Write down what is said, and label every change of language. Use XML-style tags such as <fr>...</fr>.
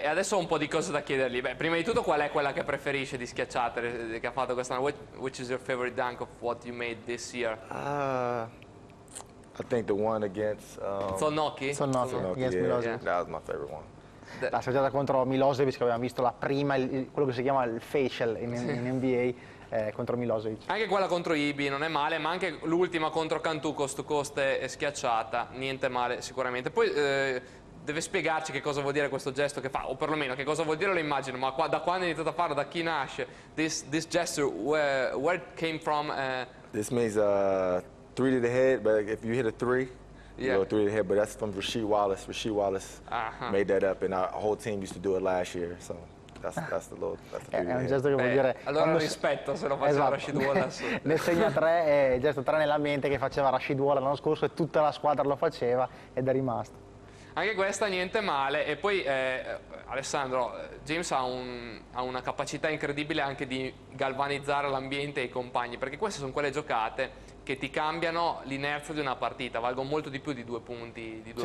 <it>E adesso ho un po' di cose da chiedergli. Beh, prima di tutto, qual è quella che preferisce di schiacciate che ha fatto quest'anno?</it> <en>Which is your favorite dunk of what you made this year? I think the one against Zonocchi. Zonocchi against Milosevic. Yeah. That was my favorite one.</en> <it>La schiacciata contro Milosevic, che abbiamo visto la prima, quello che si chiama il facial in NBA. Contro Milosevic. Anche quella contro Ibi non è male, ma anche l'ultima contro Cantù, cost to cost è schiacciata. Niente male, sicuramente. Poi deve spiegarci che cosa vuol dire questo gesto che fa, o perlomeno che cosa vuol dire lo immagino, ma qua, da quando è iniziato a farlo, da chi nasce</it> <en>this gesture, where it came from? This means three to the head, but if you hit a three, yeah, you go three to the head, but that's from Rasheed Wallace. Rasheed Wallace made that up, and our whole team used to do it last year, so that's the little, that's the</en> <it>è un gesto che vuol dire allora quando... rispetto se lo faceva, esatto. Rasheed Wallace ne segna tre, è il gesto tre nella mente che faceva Rasheed Wallace l'anno scorso e tutta la squadra lo faceva ed è rimasto. Anche questa niente male. E poi Alessandro, James ha una capacità incredibile anche di galvanizzare l'ambiente e i compagni, perché queste sono quelle giocate che ti cambiano l'inerzia di una partita, valgono molto di più di due punti.</it>